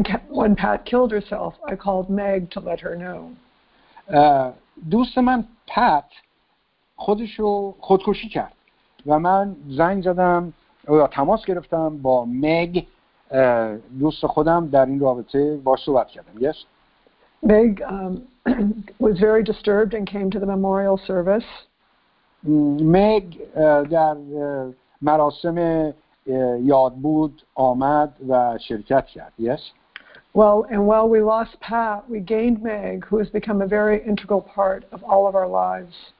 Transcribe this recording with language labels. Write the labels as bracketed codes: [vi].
[en] When Pat killed herself, I called Meg to let her know. [fa] دوست من پت خودشو خودکشی کرد و من زنگ زدم یا تماس گرفتم با Meg. دوست خودم در این رابطه باش صحبت کردم. [en] Yes. Meg was very disturbed and came to the memorial service. [fa] Meg در مراسم یاد بود آمد و شرکت کرد. [en] Yes. Well, and while we lost Pat, we gained Meg, who has become a very integral part of all of our lives.